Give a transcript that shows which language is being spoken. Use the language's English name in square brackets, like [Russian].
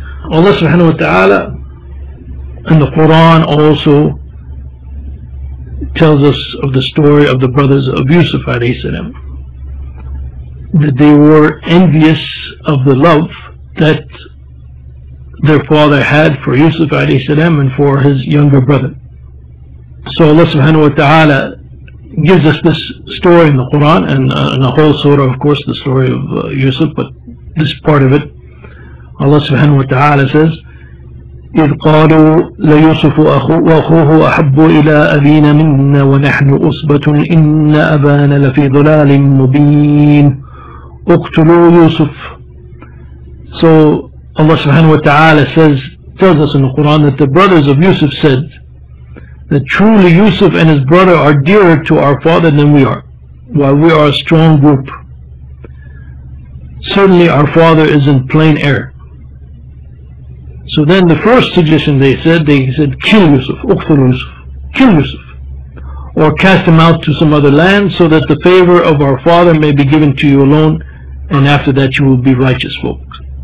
[English] Allah subhanahu wa ta'ala in the Quran also tells us of the story of the brothers of Yusuf alayhi salam, that they were envious of the love that their father had for Yusuf alayhi salam and for his younger brother. So Allah subhanahu wa ta'ala gives us this story in the Quran and in a whole surah, of course, the story of Yusuf, but this part of it. Allah subhanahu wa ta'ala says, [Arabic] إِذْ قَالُوا لَيُوسُفُ وَأَخُوهُ أَحَبُّ إِلَىٰ أَبِينَ مِنَّا وَنَحْنُ أُصْبَةٌ إِنَّ أَبَانَ لَفِي ضُلَالٍ مُبِينٍ اقْتُلُوا يُوسُف. [English] So Allah subhanahu wa ta'ala says, tells us in the Quran that the brothers of Yusuf said that truly Yusuf and his brother are dearer to our father than we are, while we are a strong group. Certainly our father is in plain error. So then the first suggestion they said, kill Yusuf, uqtul Yusuf, kill Yusuf, or cast him out to some other land so that the favor of our father may be given to you alone, and after that you will be righteous folks.